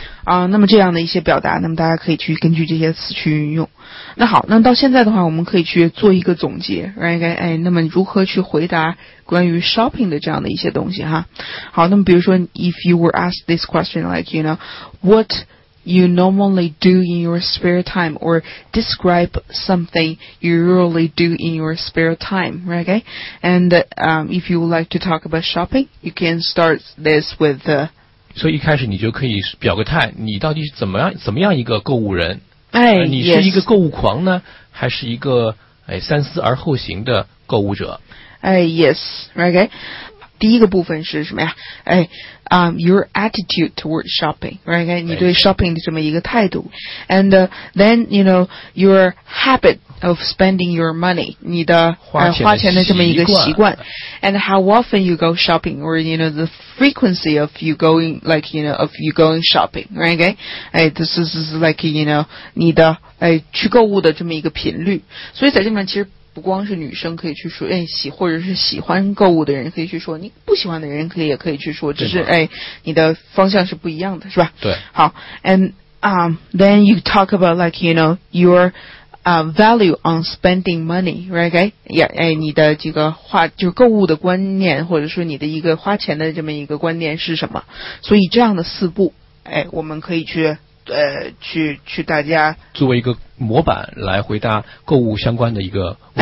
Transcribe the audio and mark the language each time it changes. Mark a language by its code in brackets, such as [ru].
[zh] 啊，那么这样的一些表达那么大家可以去根据这些词去运用那好那到现在的话我们可以去做一个总结 [en] right okay [zh] 哎，那么如何去回答关于 shopping 的这样的一些东西哈好那么比如说 [en] if you were asked this question like you know what you normally do in your spare time or describe something you usually do in your spare time right okay? and if you would like to talk about shopping you can start this with the [zh] 所以一开始你就可以表个态你到底是怎么样一个购物人哎，你是一个购物狂呢还是一个哎三思而后行的购物者哎 [en] yes, okay. [zh] 第一个部分是什么呀？ [en] 哎 ，your attitude towards shopping, right? [zh] 你对 shopping 的这么一个态度 [en] ，and then you know your habit of spending your money, [zh] 你的花钱的这么一个习惯 [en] ，and how often you go shopping, or you know the frequency of you going, like you know of you going shopping, right? [zh] Okay, 哎 ， [en] this is like you know [zh] 你的哎去购物的这么一个频率，所以在这里面其实。不光是女生可以去说，哎，或者是喜欢购物的人可以去说，你不喜欢的人可以也可以去说，只是哎，你的方向是不一样的，是吧？对。 [en] 好 ，and then you talk about like you know your value on spending money, right? Okay? [zh] Yeah, 哎，你的这个花就是购物的观念，或者说你的一个花钱的这么一个观念是什么？所以这样的四步，哎，我们可以去去大家作为一个模板来回答购物相关的一个问题。